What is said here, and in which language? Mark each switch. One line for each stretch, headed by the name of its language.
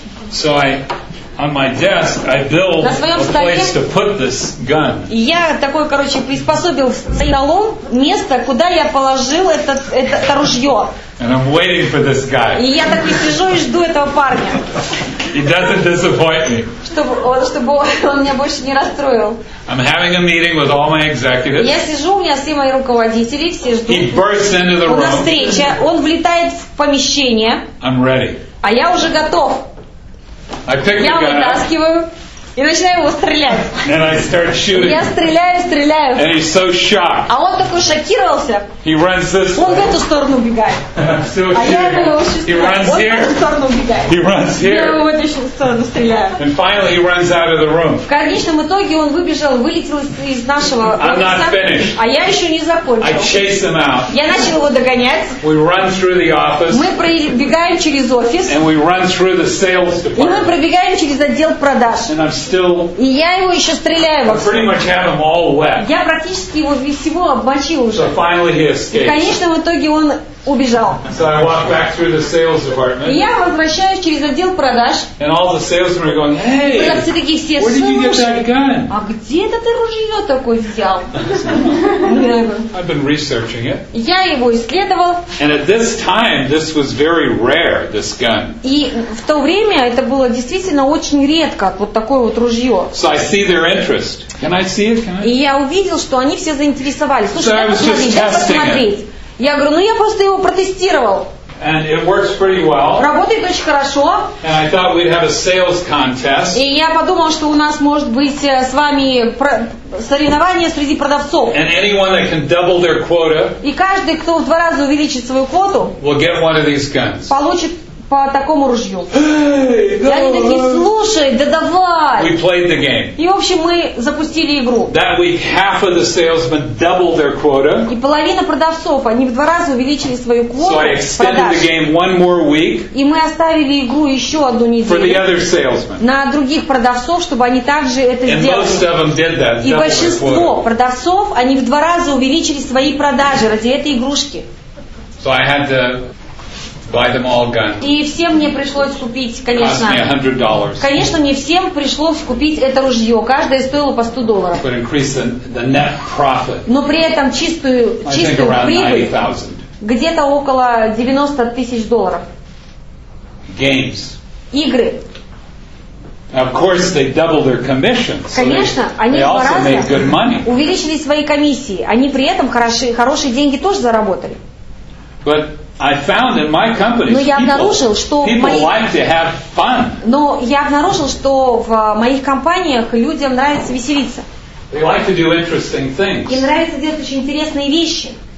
English: So I, on my desk, I built a place to put this gun.
Russian: Я такой, короче, приспособил столом место, куда я положил это ружье.
English: And I'm waiting for this guy.
Russian: И я такой сижу и жду этого парня.
English: He doesn't disappoint me.
Russian: Чтобы он меня больше не расстроил.
English: I'm having a meeting with all my executives.
Russian: Я сижу, у меня все мои руководители, все ждут.
English: He bursts into the room.
Russian: У нас встреча, он влетает в помещение.
English: I'm ready.
Russian: А я уже готов. Я вытаскиваю и начинаю его стрелять.
English: And I start shooting.
Russian: Я стреляю.
English: And he's so shocked.
Russian: А он такой шокировался.
English: He runs this
Russian: он в эту сторону убегает.
English: I'm still shooting.
Russian: А я его
English: shooting. He runs
Russian: он
English: here.
Russian: В эту сторону убегает.
English: He runs here.
Russian: Я его в эту сторону стреляю.
English: And finally he runs out of the room.
Russian: В конечном итоге он вылетел из нашего офиса.
English: I'm not finished.
Russian: А я еще не закончил.
English: I chase him out.
Russian: Я начал его догонять.
English: We run through the office.
Russian: Мы пробегаем через офис.
English: And we run through the sales department.
Russian: И мы пробегаем через отдел продаж.
English: And I'm still.
Russian: И я его еще стреляю.
English: I pretty much have him all wet.
Russian: Я практически его всего обмочил уже.
English: So finally he escaped.
Russian: И в конечном итоге он убежал.
English: So I walk back through the sales department.
Russian: И я возвращаюсь через отдел продаж.
English: And all the salesmen are going, hey, where did you get that gun?
Russian: А где это ты ружье такое взял?
English: I've been researching it.
Russian: Я его исследовал.
English: And at this time, this was very rare, this gun.
Russian: И в то время это было действительно очень редко, вот такое вот ружье.
English: So I see their interest. Can I see it?
Russian: И я увидел, что они все заинтересовались. Слушай,
English: so I was just testing it.
Russian: Я говорю, ну я просто его протестировал.
English: And it works pretty well.
Russian: Работает очень хорошо.
English: And I thought we'd have a sales contest.
Russian: И я подумал, что у нас может быть с вами соревнование среди продавцов.
English: And anyone that can double their quota.
Russian: И каждый, кто в два раза увеличит свою квоту,
English: will get one of these guns.
Russian: Получит по такому ружью.
English: Hey,
Russian: и они такие, слушай, да давай.
English: We played the game.
Russian: И в общем мы запустили игру.
English: That week, half of the salesmen doubled their quota.
Russian: И половина продавцов, они в два раза увеличили свою квоту.
English: So I extended
Russian: продаж.
English: The game one more week.
Russian: И мы оставили игру еще одну неделю.
English: For the other salesmen.
Russian: На других продавцов, чтобы они также это
English: and
Russian: сделали.
English: Most of them did that,
Russian: и большинство продавцов, они в два раза увеличили свои продажи ради этой игрушки.
English: So I had to buy them all guns.
Russian: И всем мне пришлось купить, конечно.
English: $100.
Russian: Конечно, мне всем пришлось купить это ружье. Каждое стоило по $100.
English: But increase the net profit.
Russian: Но при этом чистую прибыль где-то около $90,000.
English: Games.
Russian: Игры.
English: Of course, they doubled their commission.
Russian: Конечно,
English: so they also made good money.
Russian: Увеличили свои комиссии. Они при этом хорошие деньги тоже заработали.
English: But I found in my company people like to have fun.
Russian: Но я обнаружил, что в моих компаниях людям нравится веселиться.
English: They like to do interesting things.
Russian: Им нравится делать очень интересные вещи.